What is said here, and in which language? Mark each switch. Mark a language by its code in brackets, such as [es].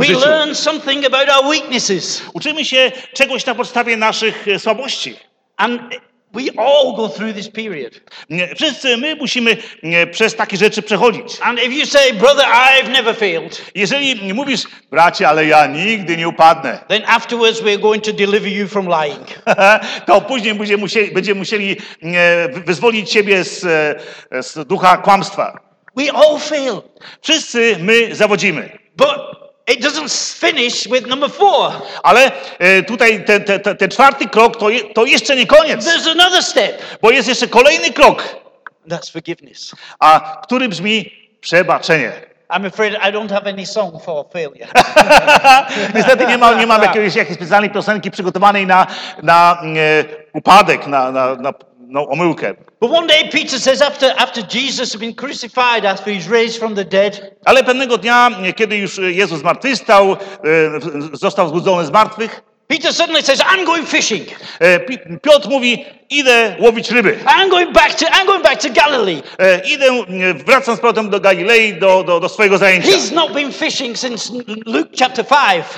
[en] we [pl] życiu. [en] We learn something about our weaknesses. [pl] Uczymy się czegoś na podstawie naszych słabości. [en] And we all go through this period. [pl] Wszyscy my musimy przez takie rzeczy przechodzić. [en] And if you say, brother, I've never failed. [pl] Jeżeli mówisz, bracie, ale ja nigdy nie upadnę. [en] Then afterwards we're going to deliver you from lying. [pl] To później będziemy musieli wyzwolić ciebie z ducha kłamstwa. [en] We all fail. [pl] Wszyscy my zawodzimy. [en] But it doesn't finish with number four. [pl] Ale tutaj ten czwarty krok to jeszcze nie koniec. [en] There's another step. [pl] Bo jest jeszcze kolejny krok. [en] That's forgiveness. [pl] A który brzmi przebaczenie. [en] I'm afraid I don't have any song for failure. [pl] Niestety nie mam jakiejś specjalnej piosenki przygotowanej na upadek, na omyłkę. [en] But one day Peter says after Jesus had been crucified, after he's raised from the dead. [pl] Ale pewnego dnia, kiedy już Jezus zmartwychwstał, został wzbudzony z martwych. [en] Peter suddenly says, I'm going fishing. [pl] Piotr mówi, idę łowić ryby. [en] I'm going back to Galilee. [pl] Idę, wracam z powrotem do Galilei, do swojego zajęcia. [en] He's not been fishing since Luke chapter 5.